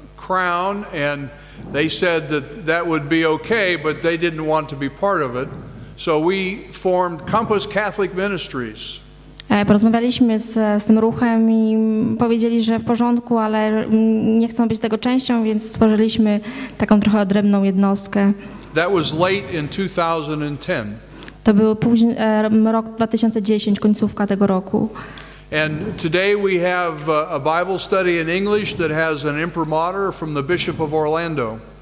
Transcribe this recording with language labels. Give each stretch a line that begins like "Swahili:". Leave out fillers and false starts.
English: crown, and they said that that would be okay, but they didn't want to be part of it. So we formed Compass Catholic Ministries.
Polish: Porozmawialiśmy z tym ruchem i powiedzieli, że w porządku, ale nie chcą być tego częścią, więc stworzyliśmy taką trochę odrębną jednostkę.
English: That was late in 2010.
Polish: To był rok 2010, końcówka tego roku.
English: And today we have a Bible study in English that has an imprimatur from the Bishop of Orlando.